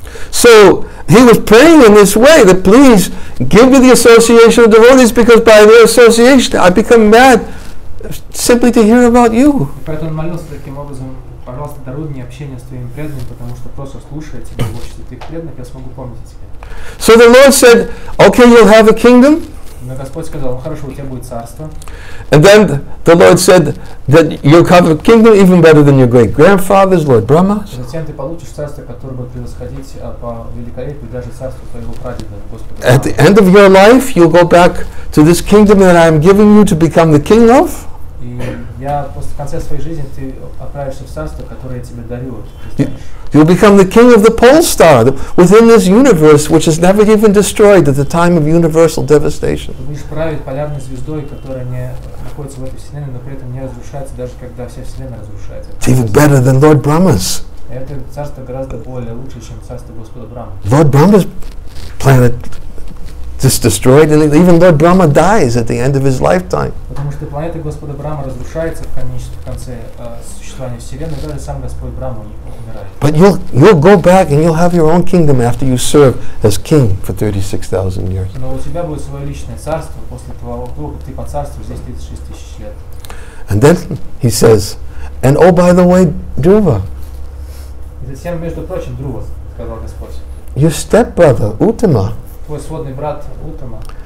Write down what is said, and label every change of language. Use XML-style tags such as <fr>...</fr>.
<en>So he was praying in this way that please give me the association of devotees because by their association I become mad simply to hear about you. So the Lord said, okay, you'll have a kingdom.</en> <ru>Но Господь сказал, хорошо, у тебя будет царство.</ru> <en>And then the Lord said that you'll have a kingdom even better than your great grandfather's, Lord Brahma.</en> <ru>Затем ты получишь царство, которое будет превосходить по великолепию даже царство твоего прадеда, Господа.</ru> <en>At the end of your life, you'll go back to this kingdom that I am giving you to become the king of.</en> <ru>И я после конца своей жизни ты отправишься в царство, которое я тебе дарю.</ru> <en>You'll become the king of the pole star within this universe, which is never even destroyed at the time of universal devastation.</en> <ru>Ты будешь править полярной звездой, которая не находится в этой вселенной, но при этом не разрушается, даже когда вся вселенная разрушается.</ru> <en>It's even better than Lord Brahma's.</en> <ru>Это царство гораздо более лучше, чем царство Господа Брахмы.</ru> <en>Lord Brahma's planet just destroyed, and even Lord Brahma dies at the end of his lifetime.</en> <ru>Потому что планета Господа Брахмы разрушается в конце существования вселенной, даже сам Господь Брахма не.</ru> <en>But you'll go back and you'll have your own kingdom after you serve as king for 36,000 years.</en> <ru>Но у тебя будет свое личное царство после того, как ты поцарствуешь здесь 36,000 лет.</ru> <en>And then he says, and oh by the way, Dhruva.</en> <ru>И затем, между прочим, Друва, сказал Господь.</ru> <en>Your stepbrother Uttama.</en> <ru>Твой сводный брат Уттама.</ru>